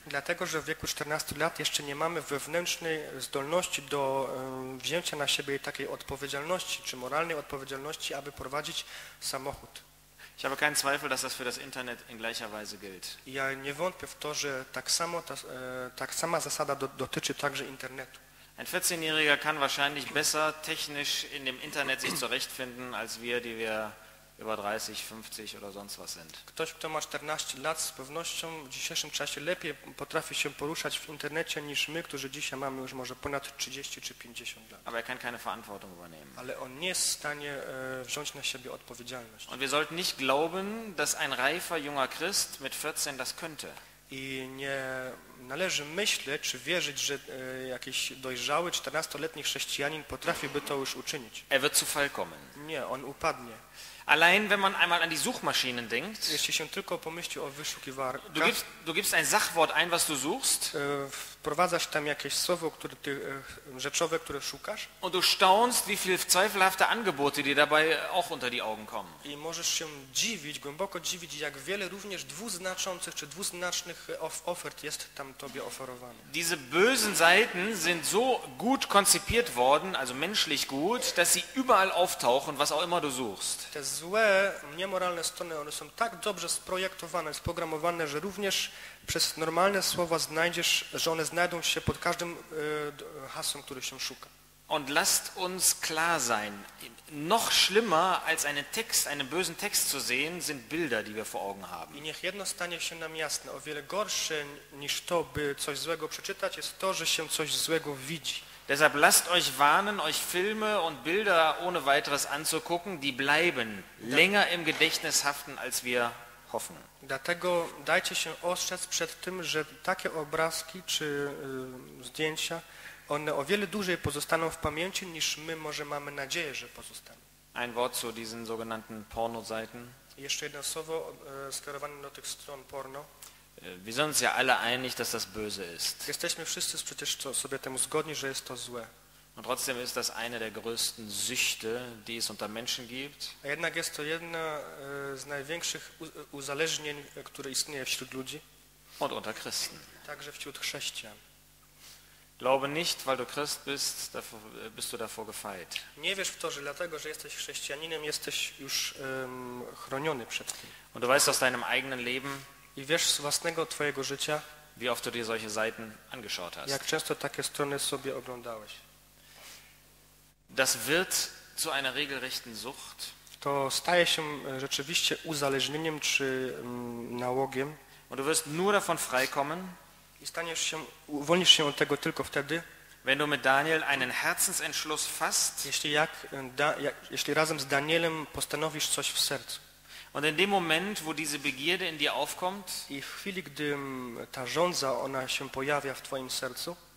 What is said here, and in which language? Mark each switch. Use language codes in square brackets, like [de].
[pl] Dlatego, że w wieku 14 lat jeszcze nie mamy wewnętrznej zdolności do wzięcia na siebie takiej odpowiedzialności, czy moralnej odpowiedzialności, aby prowadzić samochód. [de] Ich habe keinen Zweifel, dass das für das Internet in gleicher Weise gilt. [pl] Ja nie wątpię w to, że tak samo tak sama zasada dotyczy także internetu. [de] Ein 14-Jähriger kann wahrscheinlich besser technisch in dem Internet sich zurechtfinden als wir, die wir über 30, 50 oder sonst was sind. [pl] Ktoś, kto ma 14 lat, z pewnością w dzisiejszym czasie lepiej potrafi się poruszać w internecie niż my, którzy dzisiaj mamy już może ponad 30 czy 50 lat. [de] Aber er kann keine Verantwortung übernehmen. [pl] Ale on nie jest w stanie wziąć na siebie odpowiedzialność. [de] Und wir sollten nicht glauben, dass ein reifer junger Christ mit 14 das könnte. [pl] I nie należy myśleć czy wierzyć, że jakiś dojrzały 14-letni chrześcijanin potrafiłby to już uczynić. [de] Er wird zu Fall kommen. [pl] Nie, on upadnie. [de] Allein wenn man einmal an die Suchmaschinen denkt. [pl] Jeśli się tylko pomyśli o wyszukiwarkach. [de] Du gibst ein Sachwort ein, was du suchst. [pl] Wprowadzasz tam jakieś słowo, które ty, rzeczowe, które szukasz. [de] Und du staunst, wie viele zweifelhafte Angebote dir dabei auch unter die Augen kommen. [pl] I możesz się dziwić, głęboko dziwić, jak wiele również dwuznaczących czy dwuznacznych ofert jest tam tobie oferowane. [de] Diese bösen Seiten sind so gut konzipiert worden, also menschlich gut, dass sie überall auftauchen, was auch immer du suchst. [pl] Te złe, niemoralne strony, one są tak dobrze sprojektowane, sprogramowane, że również przez normalne słowa znajdziesz, że one znajdą się pod każdym hasłem, który się szuka. [de] Und lasst uns klar sein, noch schlimmer als einen Text, einen bösen Text zu sehen, sind Bilder, die wir vor Augen haben. [pl] I niech jedno stanie się nam jasne, o wiele gorsze niż to, by coś złego przeczytać, jest to, że się coś złego widzi. [de] Deshalb lasst euch warnen, euch Filme und Bilder ohne weiteres anzugucken, die bleiben länger im Gedächtnis haften, als wir hoffen. [pl] Dlatego dajcie się ostrzec przed tym, że takie obrazki czy zdjęcia, one o wiele dłużej pozostaną w pamięci, niż my może mamy nadzieję, że pozostaną. [de] Ein Wort zu diesen sogenannten Pornoseiten. [pl] Jeszcze jedno słowo skierowane do tych stron porno. [de] Wir sind uns ja alle einig, dass das böse ist. [pl] Jesteśmy wszyscy przecież sobie temu zgodni, że jest to złe. [de] Und trotzdem ist das eine der größten Süchte, die es unter Menschen gibt. [pl] A jednak jest to jedna z największych uzależnień, które istnieje wśród ludzi. [de] Und unter Christen. [pl] Także wśród chrześcijan. [de] Glaube nicht, weil du Christ bist, dafür bist du davor gefeit. [pl] Nie wierz w to, że dlatego, że jesteś chrześcijaninem, jesteś już chroniony przed tym. [de] Und du weißt aus deinem eigenen Leben, [pl] i wiesz z własnego twojego życia, [de] wie oft du dir solche Seiten angeschaut hast. [pl] Jak często takie strony sobie oglądałeś. [de] Das wird zu einer regelrechten Sucht. [pl] To staje się rzeczywiście uzależnieniem czy nałogiem. [de] Und du wirst nur davon freikommen, [pl] i staniesz się, uwolnisz się od tego tylko wtedy, [de] wenn du mit Daniel einen Herzensentschluss fasst, [pl] jeśli razem z Danielem postanowisz coś w sercu. [de] Und in dem Moment, wo diese Begierde in dir aufkommt, [pl] i w chwili, gdy ta żądza, ona się pojawia w twoim sercu,